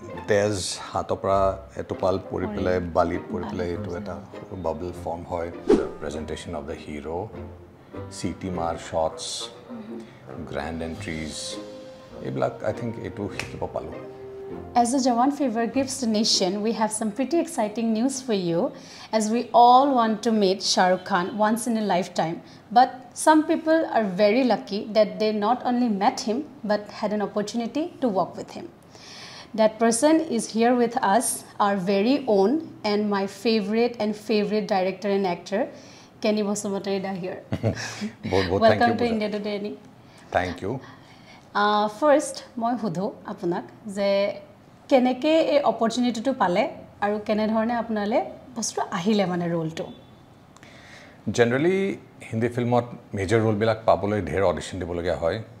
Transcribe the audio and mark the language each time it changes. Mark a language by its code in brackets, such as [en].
[as] তেজ হাতৰ পৰা এটোপাল পৰি পেলাই বালি পৰি পেলাই এইটো এটা বাবল ফৰ্ম হয়। [en] presentation of the hero, [as] C T মাৰ শ্বটছ, গ্ৰেণ্ড এণ্ট্ৰিজ, এইবিলাক আই থিংক এইটো শিকিব পালোঁ। [en] As a Jawan favor gives the nation, we have some pretty exciting news for you, as we all want to meet Shah Rukh Khan once in a lifetime. But some people are very lucky that they not only met him but had an opportunity to work with him. That person is here with us, our very own and my favorite and favorite director and actor, Kenny Basumatary da here. Welcome to India Today. Thank you. [as] First মই সুধোঁ আপোনাক যে কেনেকৈ এই অপৰ্চুনিটিটো পালে আৰু কেনেধৰণে আপোনালৈ বস্তুটো আহিলে মানে ৰোলটো। জেনেৰেলি হিন্দী ফিল্মত মেজৰ ৰোলবিলাক পাবলৈ ঢেৰ অডিশ্যন দিবলগীয়া হয়।